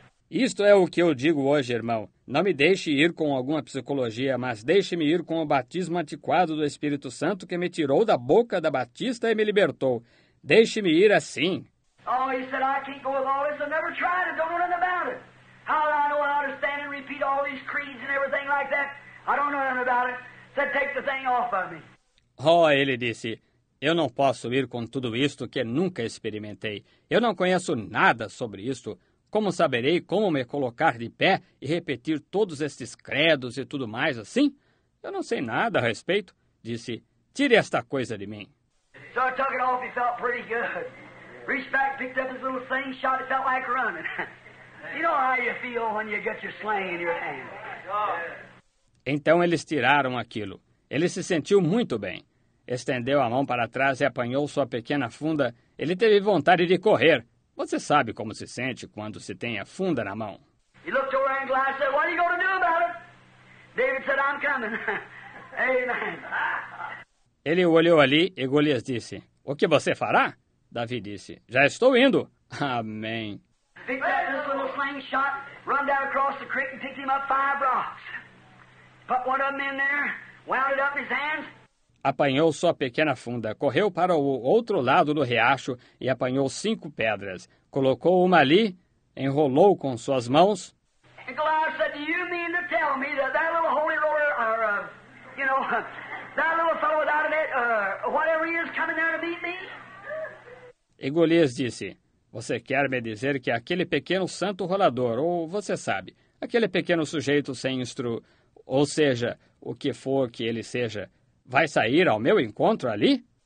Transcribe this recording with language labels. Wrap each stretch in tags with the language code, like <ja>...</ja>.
<pt>Isto é o que eu digo hoje, irmão. Não me deixe ir com alguma psicologia, mas deixe-me ir com o batismo antiquado do Espírito Santo que me tirou da boca da Batista e me libertou. Deixe-me ir assim.</pt> <en>Oh, he said, I can't go with all this. I've never tried it. Don't know nothing about it. How do I know how to stand and repeat all these creeds and everything like that? I don't know nothing about it. Said, take the thing off of me.</en> <pt>Oh, ele disse, eu não posso ir com tudo isto que nunca experimentei. Eu não conheço nada sobre isto. Como saberei como me colocar de pé e repetir todos estes credos e tudo mais assim? Eu não sei nada a respeito. Disse, tire esta coisa de mim.</pt> <en>So I took it off, he felt pretty good. Reached back, picked up his little thing, shot it, felt like running. You know how you feel when you get your sling in your hand.</en> <pt>Então eles tiraram aquilo. Ele se sentiu muito bem. Estendeu a mão para trás e apanhou sua pequena funda. Ele teve vontade de correr. Você sabe como se sente quando se tem a funda na mão.</pt> <en>He looked over and glanced and said, what are you going to do about it? David said, I'm coming. Amen.</en> <pt>Ele olhou ali e Golias disse, o que você fará? Davi disse, já estou indo. Amém.</pt> <en>Picked up this little slingshot, run down across the creek and picked him up five rocks. Put one of them in there, wound it up in his hands.</en> <pt>Apanhou sua pequena funda, correu para o outro lado do riacho e apanhou cinco pedras. Colocou uma ali, enrolou com suas mãos.</pt> <en>Goliath said, do you mean to tell me that that little holy roller, or, you know, that little fellow without it, whatever he is coming there to meet me?</en> <pt>E Goliath disse, você quer me dizer que aquele pequeno santo rolador, ou você sabe, aquele pequeno sujeito sem instru, ou seja, o que for que ele seja, vai sair ao meu encontro ali?</pt>